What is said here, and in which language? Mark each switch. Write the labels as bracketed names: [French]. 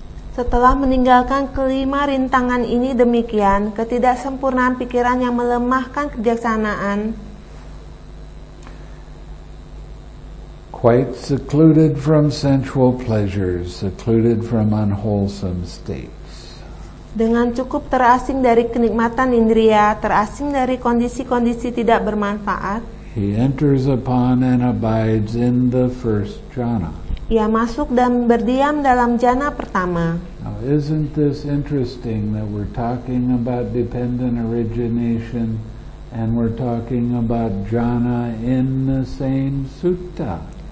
[Indonesian] Setelah meninggalkan kelima rintangan ini demikian, ketidaksempurnaan pikiran yang melemahkan kebijaksanaan. [English] Quite secluded from sensual pleasures, secluded from unwholesome states. [Indonesian] Dengan cukup terasing dari kenikmatan indria, terasing dari kondisi-kondisi tidak bermanfaat. [English] He enters upon and abides in the first jhana. [Indonesian] Ia masuk dan berdiam dalam jhana pertama. [English] Now, isn't this interesting that we're talking about dependent origination and we're talking about jhana in the same sutta?